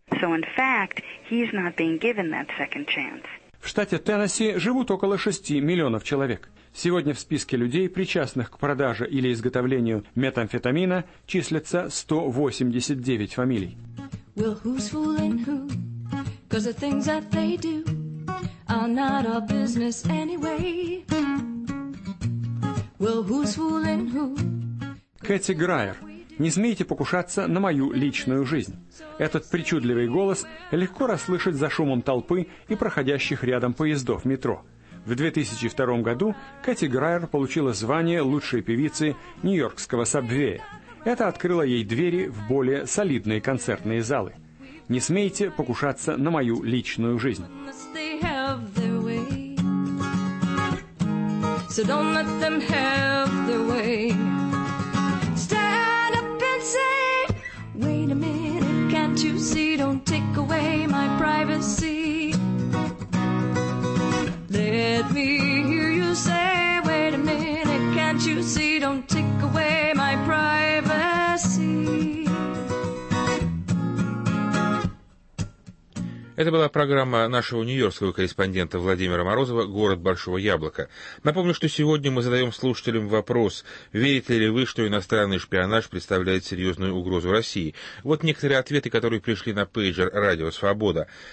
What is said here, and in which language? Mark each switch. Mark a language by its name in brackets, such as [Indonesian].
[Russian] В штате Теннесси живут около 6 миллионов человек. Сегодня в списке людей, причастных к продаже или изготовлению метамфетамина, числятся 189 фамилий. [English] Well, who's fooling who? 'Cause the things that they do are not our business anyway. Well, who's fooling who? Кэти Грайер. [Russian] Не смейте покушаться на мою личную жизнь. Этот причудливый голос легко расслышать за шумом толпы и проходящих рядом поездов метро. В 2002 году Кэти Грайер получила звание лучшей певицы нью-йоркского сабвея. Это открыло ей двери в более солидные концертные залы. Не смейте покушаться на мою личную жизнь. [English] Let me hear you say, wait a minute, can't you see, don't take away my privacy. [Russian] Это была программа нашего нью-йоркского корреспондента Владимира Морозова «Город Большого Яблока». Напомню, что сегодня мы задаем слушателям вопрос, верите ли вы, что иностранный шпионаж представляет серьезную угрозу России. Вот некоторые ответы, которые пришли на пейджер «Радио Свобода».